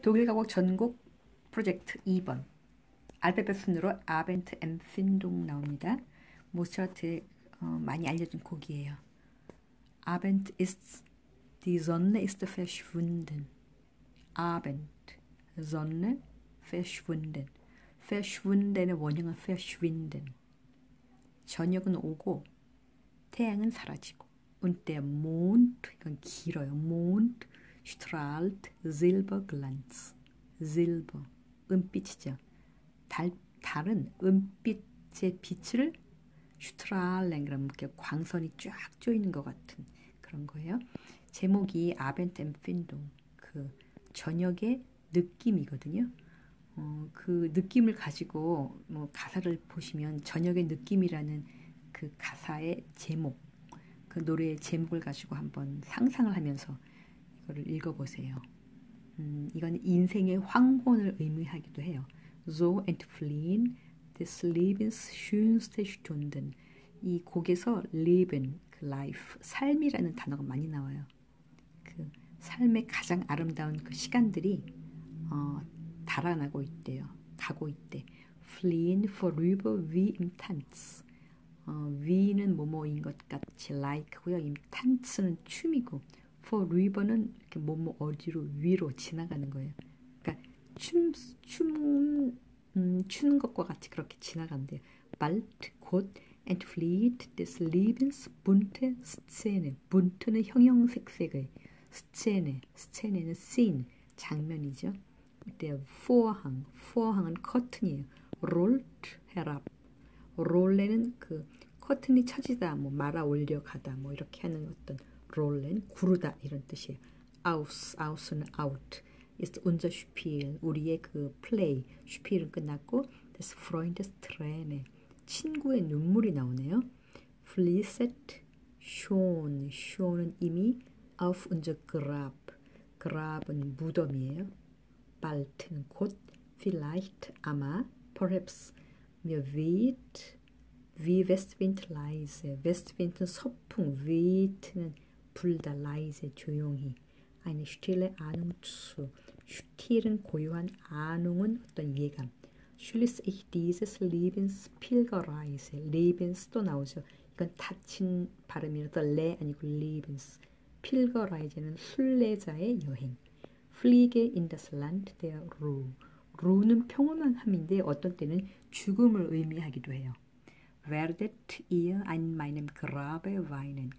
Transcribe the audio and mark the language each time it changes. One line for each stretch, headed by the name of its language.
Korean: 독일 가곡 전곡 프로젝트 2번 알파벳 순으로 아벤트 엠 신동 나옵니다. 모차르트의 많이 알려진 곡이에요.
German: Abend ist die Sonne ist verschwunden. Abend Sonne verschwunden.
Korean: Verschwunden의 원형은 verschwinden. 저녁은 오고 태양은 사라지고.
German: Und der Mond
Korean: 이건 길어요.
German: Mond strahlt Silberglanz.
Korean: Silber 은빛이죠. 달은 은빛의 빛을 strahlen 그럼 이렇게 광선이 쫙 조이는 것 같은 그런 거예요. 제목이 Abendempfindung 그 저녁의 느낌이거든요. 그 느낌을 가지고 뭐 가사를 보시면 저녁의 느낌이라는 그 가사의 제목 그 노래의 제목을 가지고 한번 상상을 하면서 이거를 읽어보세요. 이건 인생의 황혼을 의미하기도 해요.
German: So entfliehen des Lebens schönste Stunden.
Korean: 이 곡에서 Leben, 그 life, 삶이라는 단어가 많이 나와요. 그 삶의 가장 아름다운 그 시간들이 달아나고 있대요. 가고 있대.
German: Fliehen vorüber wie im Tanz.
Korean: wie는 뭐뭐인 것 같이 like고요.
German: im Tanz
Korean: 는 춤이고. For river는 이렇게 뭐뭐 어디로 위로 지나가는 거예요. 그러니까 추는 것과 같이 그렇게 지나간대요.
German: Bald,곧, entflieht des Lebens bunte Szene.
Korean: Bunte는 형형색색의 Szene. Szene는 scene, 장면이죠. 이때 Vorhang, Vorhang은 커튼이에요.
German: Rollt herab.
Korean: Rollen은 그 커튼이 처지다, 뭐 말아 올려가다, 뭐 이렇게 하는 어떤 롤렌 구르다 이런 뜻이에요.
German: Aus, aus는 out. Ist unser Spiel
Korean: 우리의 그 play 스피는 끝났고
German: des Freundes Träne
Korean: 친구의 눈물이 나오네요.
German: Fließt schon, schon은 이미 auf unser Grab.
Korean: Grab은 무덤이에요.
German: Bald는 곧, vielleicht, aber, perhaps, mir weht, wie Westwind leise. Westwind은 서풍, weht는 불다 leise 조용히 eine stille Ahnung zu.
Korean: Stillen 고요한 Ahnung은 어떤 예감.
German: Schließe ich dieses Lebens Pilgerreise.
Korean: Lebens 또 나오죠. 이건 닫힌 발음이라서 레 아니고 Lebens. Pilgerreise는 순례자의 여행.
German: Fliege in das Land der Ruhe.
Korean: Ruhe는 평온한 함인데 어떤 때는 죽음을 의미하기도 해요.
German: Werdet ihr an meinem Grabe weinen.